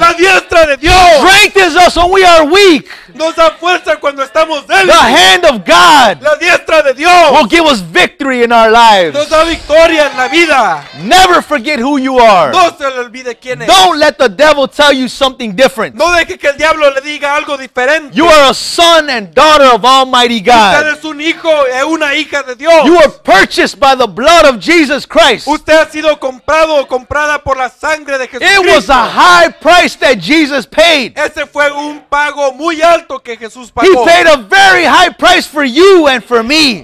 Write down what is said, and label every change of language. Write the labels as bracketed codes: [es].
[es] la diestra de Dios, [en] strengthens us when we are weak. [es] Nos da fuerza cuando estamos débiles. [en] The hand of God, [es] la diestra de Dios, [en] will give us victory in our lives. [es] Nos da victoria en la vida. [en] Never forget who you are. [es] No se le olvide quién es. [en] Don't let the devil tell you something different. [es] No deje que el diablo le diga algo diferente. [en] You are a son and daughter of Almighty God. [es] Usted es un hijo y una hija de Dios. [en] You are purchased by the blood of Jesus Christ. [es] Usted ha sido comprado o comprada por la sangre de Jesucristo. [en] It was a high price that Jesus paid. [es] Ese fue un pago muy alto que Jesús pagó. [en] He paid a very high price for you and for me.